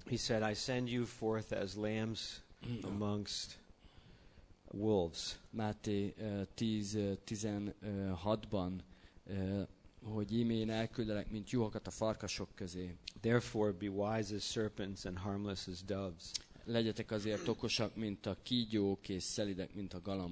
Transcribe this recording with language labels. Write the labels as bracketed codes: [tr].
[en] he said, I send you forth as lambs amongst wolves. [hu] Máté 10:16-ban, hogy íme én elküldelek, mint juhokat a farkasok közé. [en] Therefore be wise as serpents and harmless as doves. [hu] Legyetek azért okosak, mint a kígyók, és szelidek, mint a galambok.